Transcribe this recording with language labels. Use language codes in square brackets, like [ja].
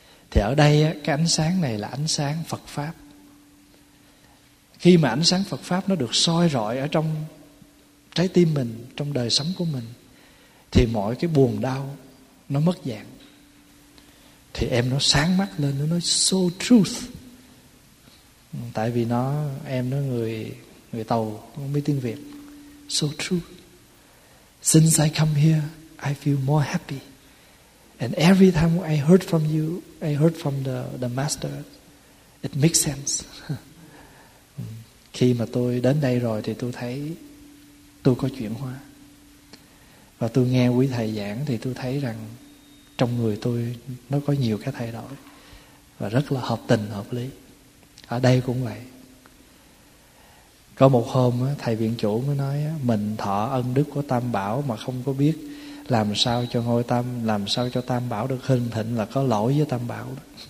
[vi] Thì ở đây á, cái ánh sáng này là ánh sáng Phật Pháp. Khi mà ánh sáng Phật Pháp nó được soi rọi ở trong trái tim mình, trong đời sống của mình, thì mọi cái buồn đau nó mất dạng. Thì em nó sáng mắt lên, nó nói [en] so truth. [vi] Tại vì nó, em nó người Tàu, không biết tiếng Việt. [en] So true. Since I come here, I feel more happy. And every time I heard from you, I heard from the master, it makes sense. [vi] Khi mà tôi đến đây rồi thì tôi thấy tôi có chuyển hóa. Và tôi nghe quý thầy giảng thì tôi thấy rằng trong người tôi nó có nhiều cái thay đổi. Và rất là hợp tình, hợp lý. Ở đây cũng vậy. Có một hôm thầy viện chủ mới nói, mình thọ ân đức của Tam Bảo mà không có biết làm sao cho ngôi tam, làm sao cho Tam Bảo được hưng thịnh là có lỗi với Tam Bảo đó.